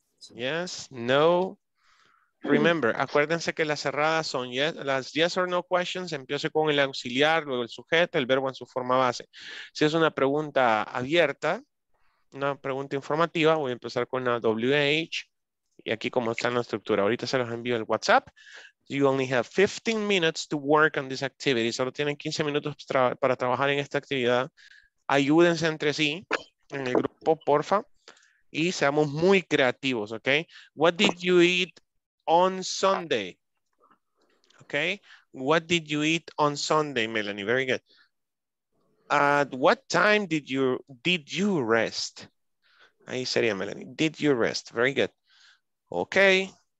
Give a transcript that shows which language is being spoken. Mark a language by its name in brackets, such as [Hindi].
[English] Yes, no. Remember, [Spanish] acuérdense que las cerradas son [English] yes, las yes or no questions. [Spanish] Empiece con el auxiliar, luego el sujeto, el verbo en su forma base. Si es una pregunta abierta, una pregunta informativa, voy a empezar con la WH. Y aquí cómo está la estructura. Ahorita se los envío el WhatsApp. [English] You only have 15 minutes to work on this activity. [Spanish] Solo tienen 15 minutos para trabajar en esta actividad. Ayúdense entre sí en el grupo, porfa. Y seamos muy creativos, ¿ok? [English] What did you eat on Sunday? Okay. What did you eat on Sunday, Melanie? Very good. At what time did you rest? [Spanish] Ahí sería, [English] Melanie. Did you rest? Very good. Okay.